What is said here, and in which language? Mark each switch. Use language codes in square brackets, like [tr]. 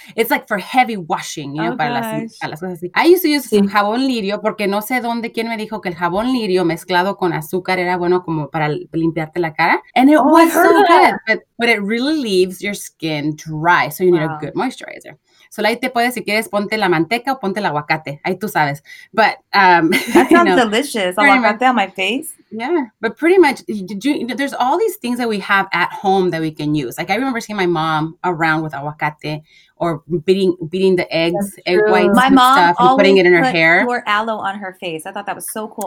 [en] It's like for heavy washing, you know, I used to use [es] jabón lirio porque no sé dónde quién me dijo que el jabón lirio mezclado con azúcar era bueno como para limpiarte la cara. [en] And it was so good, but it really leaves your skin dry. So you need a good moisturizer. [es] So ahí te puedes, si quieres, ponte la manteca o ponte el aguacate. Ahí tú sabes. But [en] delicious. Aguacate on my face. Yeah, but pretty much there's all these things that we have at home that we can use. Like I remember seeing my mom around with aguacate or beating the eggs, egg whites my and mom stuff, and putting it in her put hair. Pure aloe on her face. I thought that was so cool.